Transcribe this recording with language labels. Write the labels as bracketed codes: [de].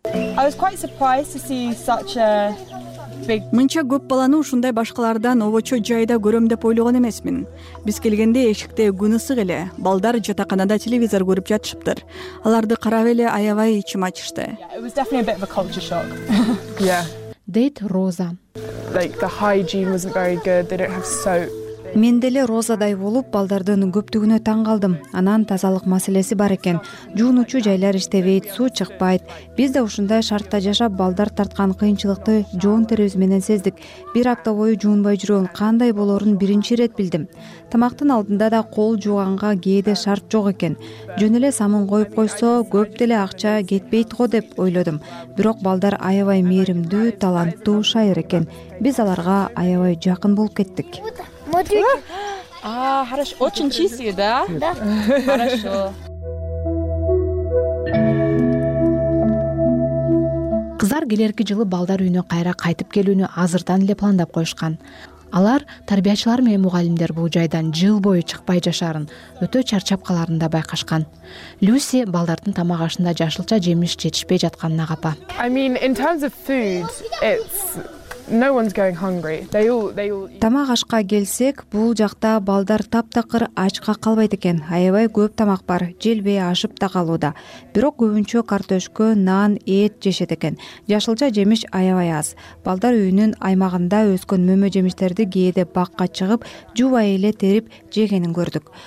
[en] I was quite surprised to see such a big. [ky] Мынча көп баланы ушундай башкалардан овочо жайда көрөм деп ойлогон эмесмин. Биз келгенде эшикте күн ысык эле, балдар жатаканада телевизор көрүп жатышыптыр. Аларды карап эле аябай ичим ачышты. [en] It was definitely a bit of a culture shock. Yeah. [ky] Дейт Роза. [en] Like the hygiene wasn't very good. They don't have soap. [ky] Мен деле розадай болуп, балдардын көптүгүнө таң калдым. Анан тазалык маселеси бар экен. Жуунуучу жайлар иштебейт, суу чыкпайт. Биз да ушундай шартта жашап, балдар тарткан кыйынчылыкты жоон терибиз менен сездик. Бир апта бою жуунбай жүрөн кандай болорун биринчи ирет билдим. Тамактын алдында да кол жууганга кээде шарт жок экен. Жөн эле самын коюп койсо, көп деле акча кетпейт го деп ойлодум. Бирок балдар аябай мээримдүү, таланттуу шайыр экен. Биз аларга аябай жакын болуп кеттик. [ru] А, хорошо, очень чистые, да? Да. Хорошо. [ky] Кызлар келерки жылы балдар үйүнө кайра кайтып келүүнү азырдан эле пландап коюшкан. Алар тарбиячылар менен мугалимдер бул жайдан жыл бою чыкпай жашарын, өтө чарчап каларын да байкашкан. Люси балдардын тамак ашында жашылча жемиш жетишпей жатканына капа. [en] I mean, in terms of food, it's no one's going hungry. They all [ky] Тамак ашка келсек, бул жакта балдар таптакыр ачка калбайт экен. Аябай көп тамак бар, желбей ашып да калууда. Бирок көбүнчө картөшкө, нан, эт жешет экен. Жашылча жемиш аябай аз. Балдар үйүнүн аймагында өскөн мөмө жемиштерди кээде бакка чыгып, жубай эле терип жегенин көрдүк.